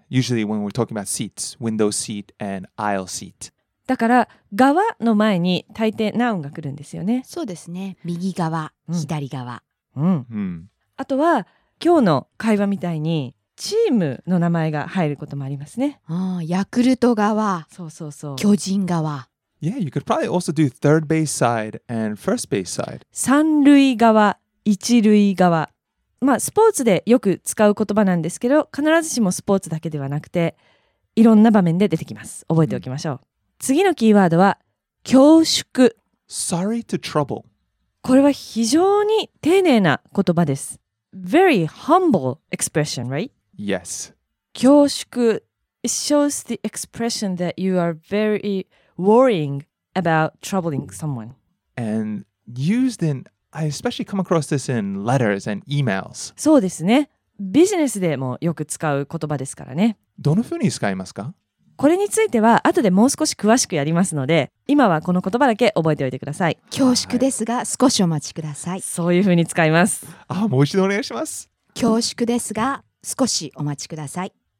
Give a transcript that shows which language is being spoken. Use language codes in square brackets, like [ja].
[en] Usually when we're talking about seats, window seat and aisle seat. [ja] だから側の前に大抵 noun が来るんですよね。そうですね。右側、左側。うん。うん。あとは今日の会話みたいにチームの名前が入ることもありますね。ああ、ヤクルト側。そうそうそう。巨人側。 [en] Yeah, you could probably also do third base side and first base side. [ja] 三塁側、一塁側。まあスポーツでよく使う言葉なんですけど、必ずしもスポーツだけではなくて、いろんな場面で出てきます。覚えておきましょう。次のキーワードは恐縮。 [en] Sorry to trouble。 [ja] これは非常に丁寧な言葉です。 [en] Very humble expression, right? Yes. [ja] 恐縮。 [en] It shows the expression that you are very worrying about troubling someone. And used in, I especially come across this in letters and emails. [ja] そうですね。ビジネスでもよく使う言葉ですからね。どのふうに使いますか？これについては後でもう少し詳しくやりますので、今はこの言葉だけ覚えておいてください。恐縮ですが、はい、少しお待ちください。そういうふうに使います。あ、もう一度お願いします。恐縮ですが、少しお待ちください。